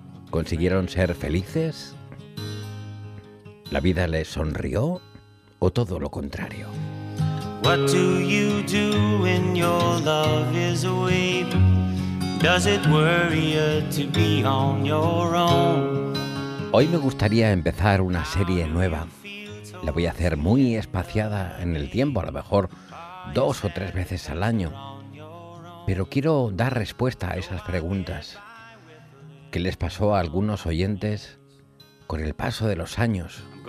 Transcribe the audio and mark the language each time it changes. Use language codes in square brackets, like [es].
[es] ¿Consiguieron ser felices? ¿La vida les sonrió o todo lo contrario? [en] What do you do when your love is away? Does it worry you to be on your own? [es] Hoy me gustaría empezar una serie nueva. La voy a hacer muy espaciada en el tiempo, a lo mejor dos o tres veces al año. Pero quiero dar respuesta a esas preguntas. ¿Qué les pasó a algunos oyentes con el paso de los años?